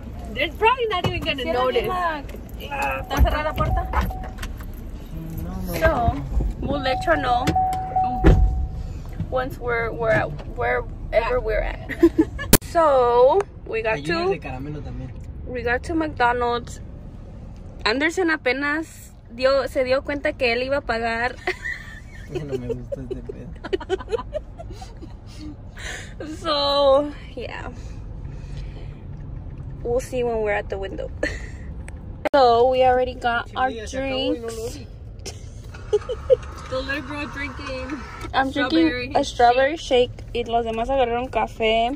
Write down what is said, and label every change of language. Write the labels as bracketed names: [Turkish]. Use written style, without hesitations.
[English] They're probably not even gonna notice. [Spanish] ¿Está cerrada la puerta? No. [English] So, we'll let you know once we're at wherever we're at. So, we got to McDonald's. [Spanish] Anderson apenas se dio cuenta que él iba a pagar. [English] So yeah, we'll see when we're at the window. So we already got our drinks. The little girl drinking. I'm drinking a strawberry shake. [Spanish] Y los demás agarraron café.